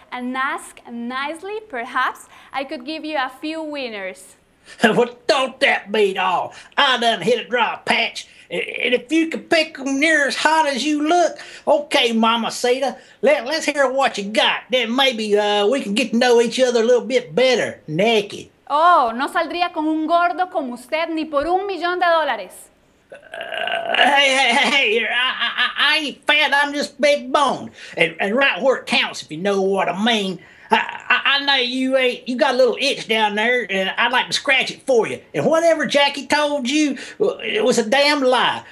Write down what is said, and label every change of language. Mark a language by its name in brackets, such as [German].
[English] And ask nicely, perhaps, I could give you a few winners. Well, don't that beat all. I done hit a dry patch. And if you can pick them near as hot as you look, okay, Mama Sita, let's hear what you got. Then maybe we can get to know each other a little bit better, naked. [Spanish] Oh, no saldría con un gordo como usted ni por $1,000,000. [English] Hey, I ain't fat, I'm just big boned. And right where it counts, if you know what I mean. I know you ain't. You got a little itch down there, and I'd like to scratch it for you. And whatever Jackie told you, it was a damn lie.